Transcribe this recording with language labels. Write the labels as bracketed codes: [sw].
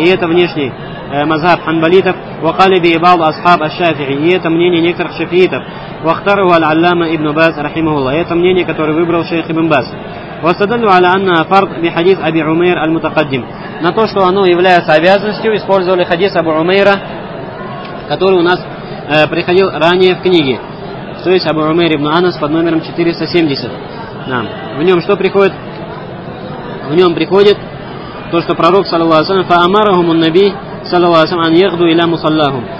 [ru] И это внешний мазхаб ханбалитов. [ar] وقال به بعض اصحاب الشافعي. [ru] И это мнение некоторых шафиитов. [ar] واختاره العلامة ابن باز رحمه الله. [ru] Это мнение, которое выбрал шейх ابن باز. [ar] واستدلوا على انها فرض بحديث ابي عمير المتقدم. [ru] На то, что оно является обязанностью, использовали хадис Абу Умейра, который у нас приходил ранее в книге. То есть Абу Умейр ибн Анас под номером 470. Да. В нем что приходит? В нем приходит то, что пророк, саллаллаху алейхи ва саллям, [ar] фаамарахум ан-наби, [ru] саллаллаху алейхи ва саллям, [ar] ан-яхду иля мусаллахум.